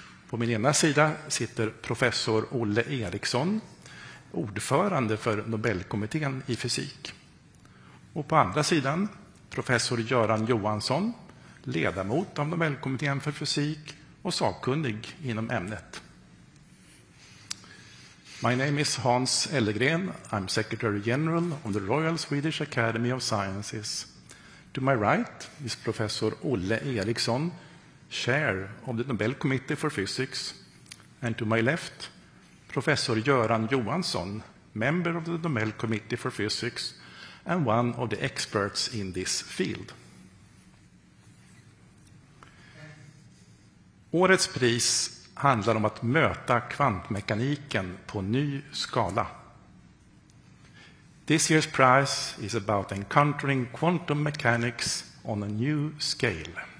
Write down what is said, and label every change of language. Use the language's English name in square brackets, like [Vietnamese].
[Swedish] På min ena sida sitter professor Olle Eriksson, ordförande för Nobelkommittén i fysik. Och på andra sidan professor Göran Johansson, ledamot av Nobelkommittén för fysik och sakkunnig inom ämnet. [English] My name is Hans Ellegren. I'm Secretary General of the Royal Swedish Academy of Sciences. To my right is Professor Olle Eriksson, Chair of the Nobel Committee for Physics. And to my left, Professor Göran Johansson, member of the Nobel Committee for Physics and one of the experts in this field. [Swedish] Årets pris handlar om att möta kvantmekaniken på ny skala. [English] This year's prize is about encountering quantum mechanics on a new scale.